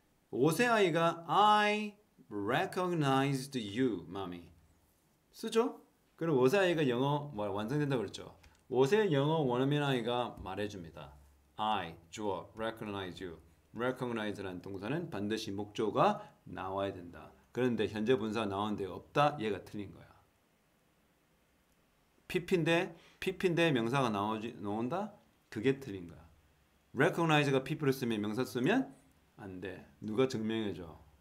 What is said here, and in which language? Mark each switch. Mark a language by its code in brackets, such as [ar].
[ko] 5세 아이가 [en] I recognized you, mommy. [ko] 쓰죠? 그럼 5세 아이가 영어 뭐 완성된다 그랬죠? 5세 영어 원어민 아이가 말해줍니다. [en] I, 주어, recognize you. [ko] recognize라는 동사는 반드시 목적어가 나와야 된다. 그런데 현재 분사 나온 데 없다. 얘가 틀린 거야. PP인데 명사가 나온다? 그게 틀린 거야. recognize가 PP를 쓰면 명사 쓰면 안 돼. 누가 증명해줘?